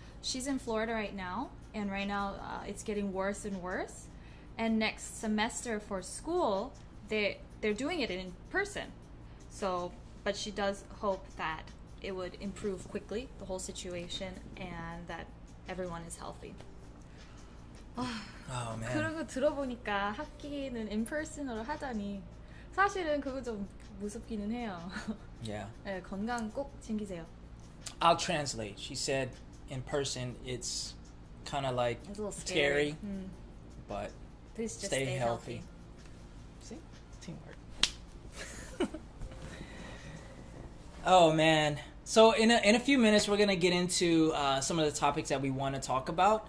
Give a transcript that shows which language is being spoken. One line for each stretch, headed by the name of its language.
English: She's in Florida right now, and right now it's getting worse and worse. And next semester for school, they're doing it in person. So, but she does hope that it would improve quickly, the whole situation, and that everyone is healthy. Oh, man.
Korean: 그러고 들어보니까 학기는 인퍼슨으로 하다니 사실은 그거 좀 무섭기는 해요.
English: Yeah.
Korean: 네, 건강 꼭 챙기세요.
English: I'll translate. She said, in person, it's kind of like scary. Mm. But please just stay healthy. See? Teamwork. Oh, man. So in a few minutes, we're going to get into some of the topics that we want to talk about.